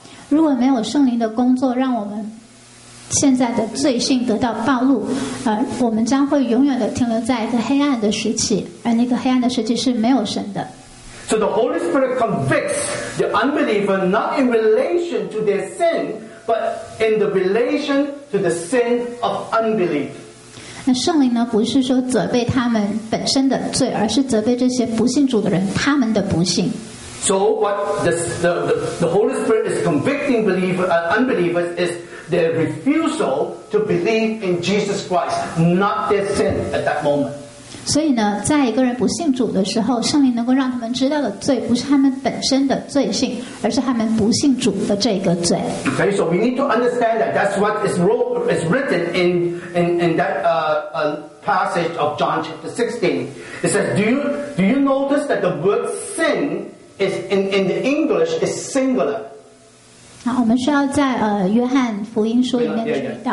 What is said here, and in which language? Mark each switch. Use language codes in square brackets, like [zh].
[zh] 如果没有圣灵的工作让我们现在的罪性得到暴露我们将会永远的停留在一个黑暗的时期而那个黑暗的时期是没有神的 [en] So the Holy Spirit convicts the unbeliever not in relation to their sin but in the relation to the sin of unbelief [zh] 那圣灵呢不是说责备他们本身的罪而是责备这些不信主的人他们的不幸 [en] So what the Holy Spirit is convicting unbelievers isTheir refusal to believe in Jesus Christ, not their sin at that moment. [zh] 所以呢，在一个人不信主的时候，圣灵能够让他们知道的罪，不是他们本身的罪性，而是他们不信主的这个罪。 [en] Okay, so we need to understand that that's what is wrote is written in that passage of John chapter 16. It says, do you notice that the word sin is in the English is singular? [zh] 好，我们需要在约翰福音书里面注意到。